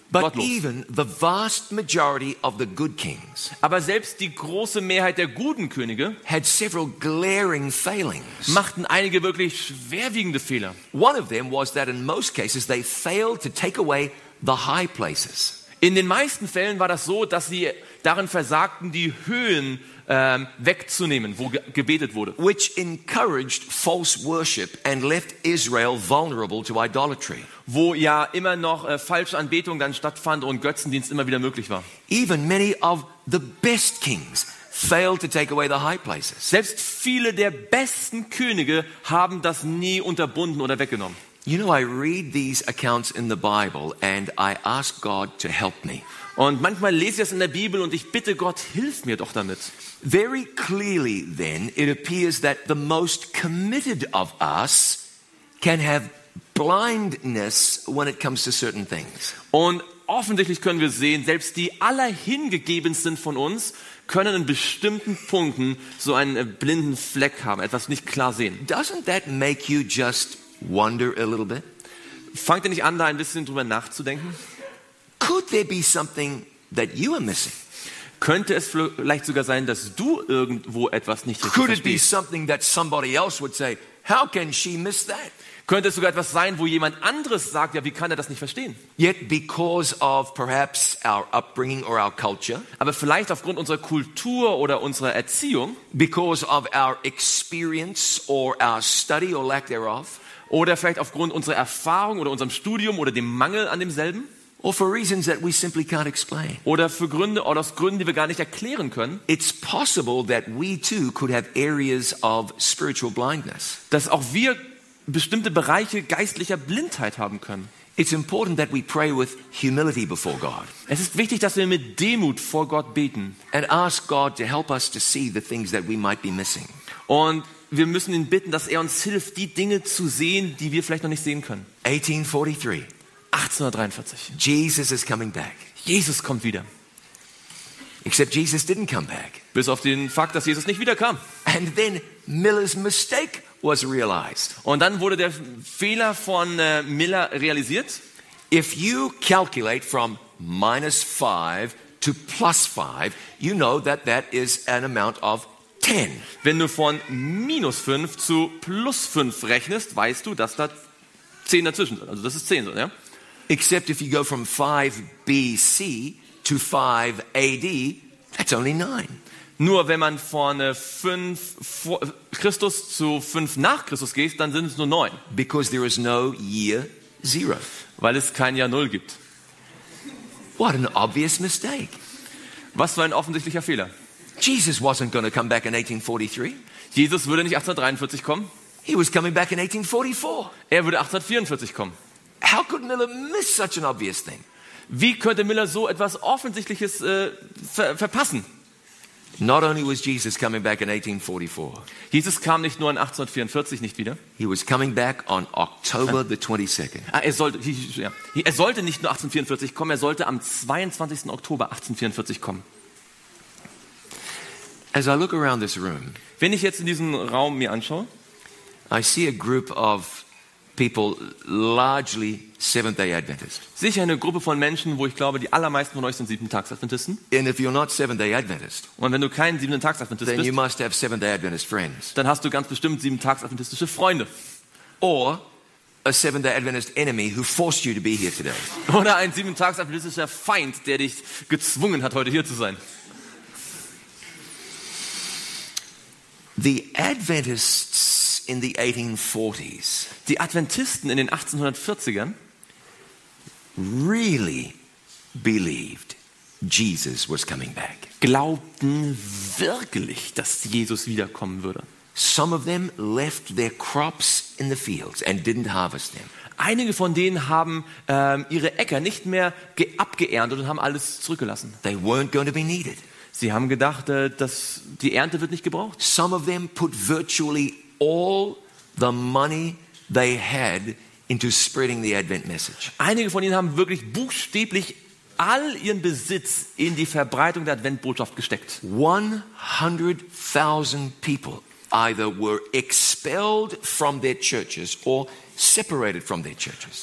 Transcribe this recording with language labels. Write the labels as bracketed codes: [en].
[en] but [de] gottlos. [en] Even the vast majority of the good kings, [de] aber selbst die große Mehrheit der guten Könige, [en] had several glaring failings, [de] machten einige wirklich schwerwiegende Fehler. [en] One of them was that in most cases they failed to take away the high places. [de] In den meisten Fällen war das so, dass sie darin versagten, die Höhen wegzunehmen, wo gebetet wurde. [en] Which encouraged false worship and left Israel vulnerable to idolatry. [de] Wo ja immer noch falsche Anbetung dann stattfand und Götzendienst immer wieder möglich war. [en] Even many of the best kings failed to take away the high places. [de] Selbst viele der besten Könige haben das nie unterbunden oder weggenommen. [en] You know, I read these accounts in the Bible and I ask God to help me. [de] Und manchmal lese ich das in der Bibel und ich bitte Gott, hilf mir doch damit. [en] Very clearly then, it appears that the most committed of us can have blindness when it comes to certain things. [de] Und offensichtlich können wir sehen, selbst die allerhingegebensten von uns können in bestimmten Punkten so einen blinden Fleck haben, etwas nicht klar sehen. [en] Doesn't that make you just wonder a little bit? [de] Fangt ihr nicht an, da ein bisschen drüber nachzudenken? [en] Could there be something that you are missing? [de] Könnte es vielleicht sogar sein, dass du irgendwo etwas nicht richtig [en] Could [de] verstehst? [en] Could it be something that somebody else would say, how can she miss that? [de] Könnte es sogar etwas sein, wo jemand anderes sagt, ja, wie kann er das nicht verstehen? [en] Yet because of perhaps our upbringing or our culture, [de] aber vielleicht aufgrund unserer Kultur oder unserer Erziehung, [en] because of our experience or our study or lack thereof, [de] oder vielleicht aufgrund unserer Erfahrung oder unserem Studium oder dem Mangel an demselben, [en] or for reasons that we simply can't explain. [de] Oder für Gründe oder aus Gründen, die wir gar nicht erklären können. [en] It's possible that we too could have areas of spiritual blindness. [de] Dass auch wir bestimmte Bereiche geistlicher Blindheit haben können. [en] It's important that we pray with humility before God. [de] Es ist wichtig, dass wir mit Demut vor Gott beten. [en] And ask God to help us to see the things that we might be missing. [de] Und wir müssen ihn bitten, dass er uns hilft, die Dinge zu sehen, die wir vielleicht noch nicht sehen können. [en] 1843. [de] 1843. [en] Jesus is coming back. [de] Jesus kommt wieder. [en] Except Jesus didn't come back. [de] Bis auf den Fakt, dass Jesus nicht wiederkam. [en] And then Miller's mistake was realized. [de] Und dann wurde der Fehler von Miller realisiert. [en] If you calculate from -5 to +5, you know that that is an amount of 10. [de] Wenn du von -5 zu +5 rechnest, weißt du, dass da 10 dazwischen sind. Also das ist 10, ja? [en] Except if you go from 5 BC to 5 AD, that's only 9. [de] Nur wenn man von 5 vor Christus zu 5 nach Christus geht, dann sind es nur 9. [en] Because there is no year zero. [de] Weil es kein Jahr 0 gibt. [en] What an obvious mistake. [de] Was für ein offensichtlicher Fehler. [en] Jesus wasn't going to come back in 1843. [de] Jesus würde nicht 1843 kommen. [en] He was coming back in 1844. [de] Er würde 1844 kommen. [en] How could Miller miss such an obvious thing? [de] Wie könnte Miller so etwas Offensichtliches verpassen? [en] Not only was Jesus coming back in 1844. [de] Jesus kam nicht nur in 1844 nicht wieder. [en] He was coming back on October the 22nd. [de] Er sollte nicht nur 1844 kommen, er sollte am 22. Oktober 1844 kommen. [en] As I look around this room, [de] wenn ich jetzt in diesen Raum mir anschaue, [en] I see a group of people largely Seventh-day Adventists. [de] Sicher eine Gruppe von Menschen, wo ich glaube, die allermeisten von euch sind Siebenten-Tags-Adventisten. [en] And if you're not Seventh-day Adventist, [de] und wenn du kein Siebenten-Tags-Adventist bist, [en] then you must have Seventh-day Adventist friends. [de] Dann hast du ganz bestimmt Siebenten-Tags-Adventistische Freunde. [en] Or a Seventh-day Adventist enemy who forced you to be here today. [de] Oder ein Siebenten-Tags-Adventistischer Feind, der dich gezwungen hat, heute hier zu sein. [en] The Adventists in the 1840s. [de] Die Adventisten in den 1840ern [en] really believed Jesus was coming back. [de] Glaubten wirklich, dass Jesus wiederkommen würde. [en] Some of them left their crops in the fields and didn't harvest them. [de] Einige von denen haben ihre Äcker nicht mehr abgeerntet und haben alles zurückgelassen. [en] They weren't going to be needed. [de] Sie haben gedacht, dass die Ernte wird nicht gebraucht. [en] Some of them put virtually all the money they had into spreading the Advent message. [de] Einige von ihnen haben wirklich buchstäblich all ihren Besitz in die Verbreitung der Adventbotschaft gesteckt. [en] 100,000 people either were expelled from their churches or separated from their churches.